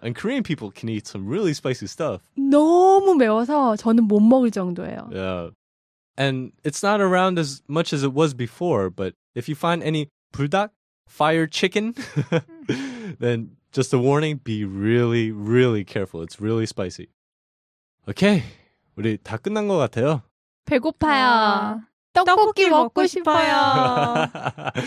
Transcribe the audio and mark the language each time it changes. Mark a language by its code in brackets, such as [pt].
[en] And Korean people can eat some really spicy stuff. [ko] 너무 매워서 저는 못 먹을 정도예요. [en] Yeah. And it's not around as much as it was before. But if you find any 불닭, fire chicken, then just a warning, be really, really careful. It's really spicy. Okay, [ko] 우리 다 끝난 것 같아요. 배고파요. 떡볶이 먹고 싶어요.